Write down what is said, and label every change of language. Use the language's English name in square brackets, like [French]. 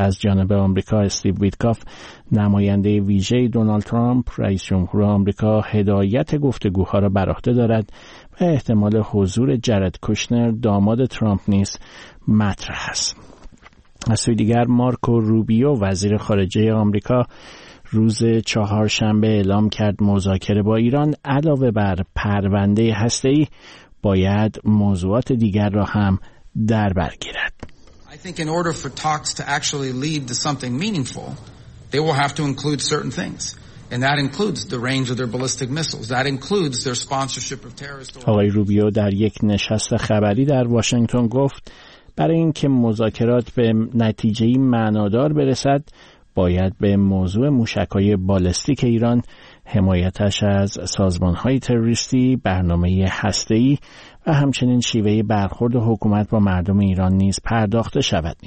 [Persian] از جانب آمریکا، استیو ویتکاف نماینده ویژه دونالد ترامپ رئیس جمهور آمریکا هدایت گفتگوها را بر عهده دارد و احتمال حضور جرد کوشنر داماد ترامپ نیز مطرح است. از سوی دیگر مارکو روبیو وزیر خارجه آمریکا روز چهارشنبه اعلام کرد مذاکره با ایران علاوه بر پرونده هسته‌ای باید موضوعات دیگر را هم در بر گیرد. [English] I think in order for talks to actually lead to something meaningful, they will have to include certain things. And that includes the range of their ballistic missiles. That includes their sponsorship of terrorist organizations. [Persian] آقای روبیو در یک نشست خبری در واشنگتن گفت برای اینکه مذاکرات به نتیجه‌ای معنادار برسد، باید به موضوع موشک‌های بالستیک ایران، حمایتش از سازمان‌های تروریستی، برنامه هسته‌ای و همچنین شیوه برخورد حکومت با مردم ایران نیز پرداخته شود.